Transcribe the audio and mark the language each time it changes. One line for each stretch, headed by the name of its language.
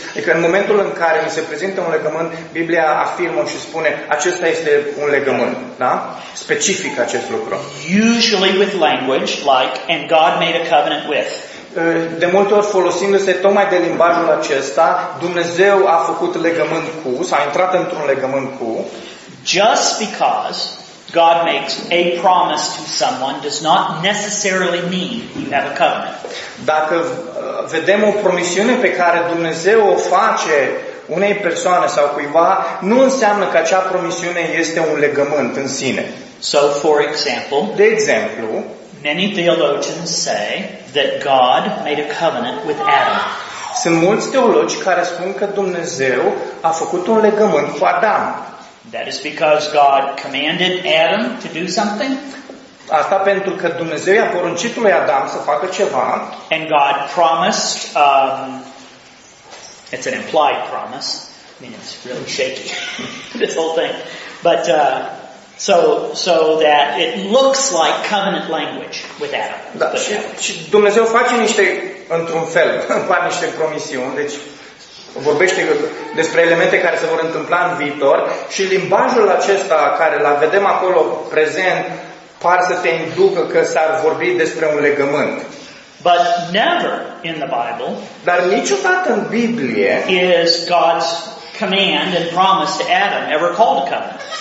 Romanian: Adică în momentul în care mi se prezintă un legământ, Biblia afirmă și spune acesta este un legământ. Da? Specific acest lucru.
English: Usually with language like and God made a covenant with.
Romanian: De multe ori folosindu-se tocmai de limbajul acesta, Dumnezeu a făcut legământ cu, s-a intrat într-un legământ cu.
English: Just because God makes a promise to someone does not necessarily mean you have a covenant.
Romanian: Dacă vedem o promisiune pe care Dumnezeu o face unei persoane sau cuiva, nu înseamnă că acea promisiune este un legământ în sine.
English: So, for example,
Romanian: de exemplu,
English: many theologians say that God made a covenant with Adam.
Romanian: Sunt mulți teologi care spun că Dumnezeu a făcut un legământ cu Adam.
English: That is because God commanded Adam to do something.
Romanian: Asta pentru că Dumnezeu i-a poruncit lui Adam să facă ceva.
English: And God promised It's an implied promise. I mean, it's really shaky, this whole thing. But so that it looks like covenant language with Adam.
Romanian: Da, și Dumnezeu face niște, într-un fel, par niște promisiuni, deci vorbește despre elemente care se vor întâmpla în viitor și limbajul acesta care l-a vedem acolo prezent par să te inducă că s-ar vorbi despre un legământ.
English: But never in the Bible.
Romanian: Dar niciodată în Biblie
English: is God's command and promise to Adam ever called a covenant.